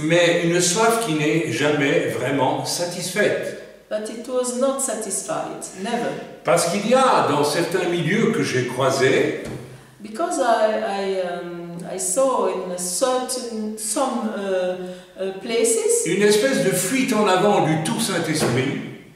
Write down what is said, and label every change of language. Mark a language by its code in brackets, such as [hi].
[fr] Mais une soif qui n'est jamais vraiment satisfaite. [en] But it was not satisfied, never. [fr] Parce qu'il y a dans certains milieux que j'ai croisés. [en] Because I saw in a certain some places. [fr] Une espèce de fuite en avant du tout Saint-Esprit.